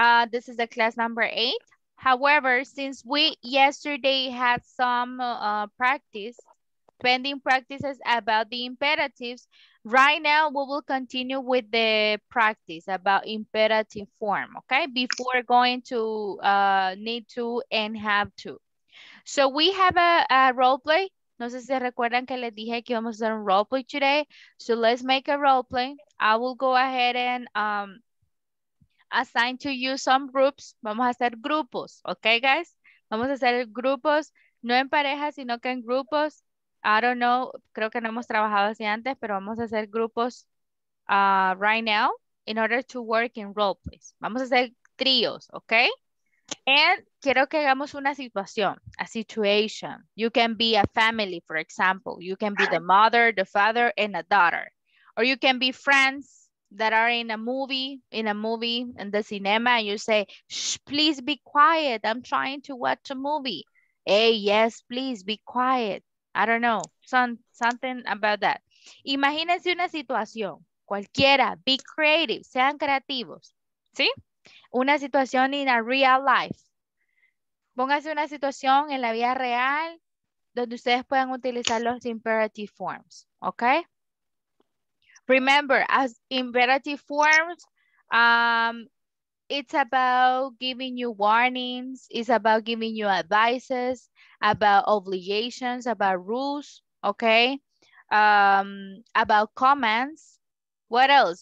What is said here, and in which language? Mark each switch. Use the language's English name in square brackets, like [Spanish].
[English] This is the class number 8. However, since we yesterday had some practice, pending practices about the imperatives, right now we will continue with the practice about imperative form, okay? Before going to need to and have to. So we have a role play. [Spanish] No sé si recuerdan que les dije que vamos a hacer un role play today. [English] So let's make a role play. I will go ahead and assign to you some groups. [Spanish] Vamos a hacer grupos, okay, guys? Vamos a hacer grupos, no en parejas, sino que en grupos. [English] I don't know, [Spanish] creo que no hemos trabajado así antes, pero vamos a hacer grupos [English] right now in order to work in role plays. [Spanish] Vamos a hacer tríos, okay? And quiero que hagamos una situación, [English] a situation. You can be a family, for example. You can be the mother, the father, and a daughter. Or you can be friends that are in a movie, in the cinema, and you say, shh, please be quiet. I'm trying to watch a movie. Hey, yes, please be quiet. I don't know, something about that. [Spanish] Imagínense una situación, cualquiera, [English] be creative, [Spanish] sean creativos, ¿sí? Una situación [English] in a real life. [Spanish] Póngase una situación en la vida real donde ustedes puedan utilizar los imperative forms, ¿ok? [English] Remember, as imperative forms, it's about giving you warnings, it's about giving you advices, about obligations, about rules, okay? About commands. What else?